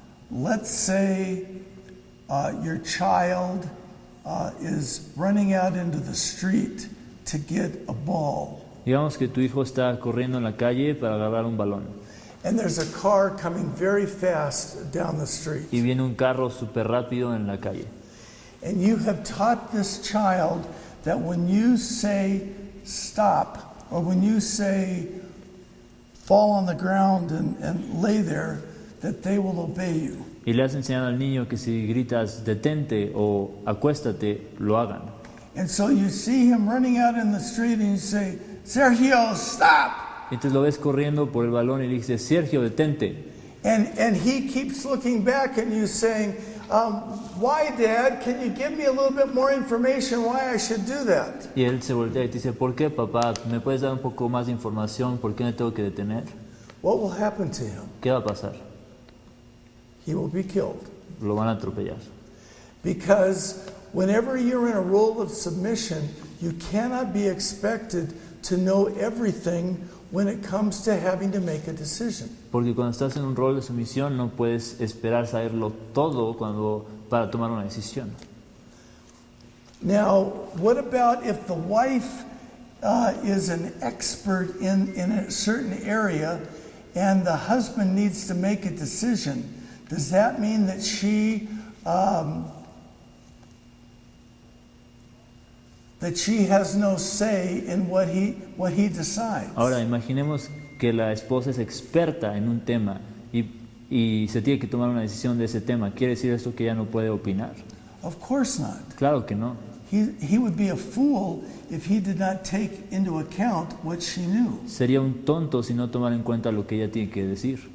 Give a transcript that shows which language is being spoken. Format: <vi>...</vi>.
<en>Let's say your child is running out into the street to get a ball.</en> <es>Digamos que tu hijo está corriendo en la calle para agarrar un balón.</es> <en>And there's a car coming very fast down the street.</en> <es>Y viene un carro súper rápido en la calle.</es> <en>And you have taught this child that when you say stop, or when you say fall on the ground and lay there, that they will obey you.</en> <es>Y le has enseñado al niño que si gritas detente o acuéstate, lo hagan.</es> <en>And so you see him running out in the street and you say, Sergio, stop!</en> <es>Entonces lo ves corriendo por el balón y le dice, Sergio, detente.</es> <en>And he keeps looking back and you saying, why, Dad? Can you give me a little bit more information why I should do that?</en> <es>Y él se voltea y te dice, ¿por qué, papá? ¿Me puedes dar un poco más de información? ¿Por qué me tengo que detener?</es> <en>What will happen to him?</en> <es>¿Qué va a pasar?</es> <en>He will be killed.</en> <es>Lo van a atropellar.</es> <en>Because whenever you're in a role of submission, you cannot be expected to know everything when it comes to having to make a decision.</en> <es>Porque cuando estás en un rol de sumisión, no puedes esperar saberlo todo cuando para tomar una decisión.</es> <en>Now, what about if the wife is an expert in a certain area and the husband needs to make a decision? Does that mean that she has no say in what he decides?</en> <es>Ahora imaginemos que la esposa es experta en un tema y se tiene que tomar una decisión de ese tema. ¿Quiere decir esto que ella no puede opinar?</es> <en>Of course not.</en> <es>Claro que no.</es> <en>He would be a fool if he did not take into account what she knew.</en> <es>Sería un tonto si no tomara en cuenta lo que ella tiene que decir.</es>